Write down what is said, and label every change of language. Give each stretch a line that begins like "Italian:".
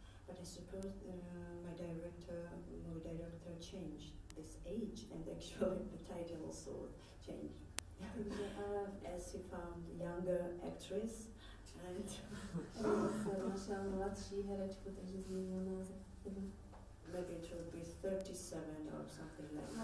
English: But I suppose my director, movie director changed this age and actually the title also changed. As he found younger actress and
Czech: našel mladší herečku, takže změnil název.
English: Maybe it will be 37 or something like that.